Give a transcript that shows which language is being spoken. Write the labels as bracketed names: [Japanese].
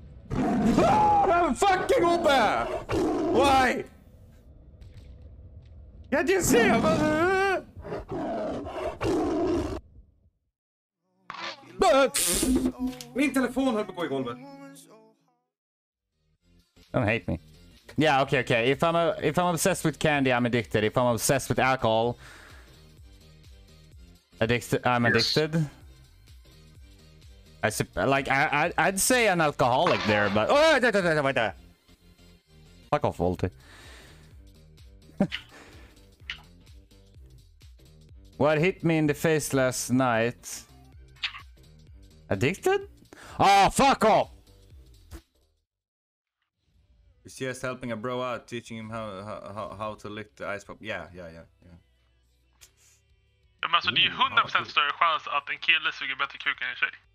[English] I'm fucking up there! Why? Can't you see him? [Swedish] Min telefon höll på att gå i golvet. [English] Don't hate me. Yeah, okay. If I'm obsessed with candy, I'm addicted. If I'm obsessed with alcohol... I'm addicted. I'd say an alcoholic there, but oh, wait, fuck off, Volte. What hit me in the face last night? Addicted? Oh, fuck off! You see us helping a bro out, teaching him how to lick the ice pop. Yeah. [Swedish] Men alltså, det är 100% större chans att en kille suger bättre kuk än en tjej.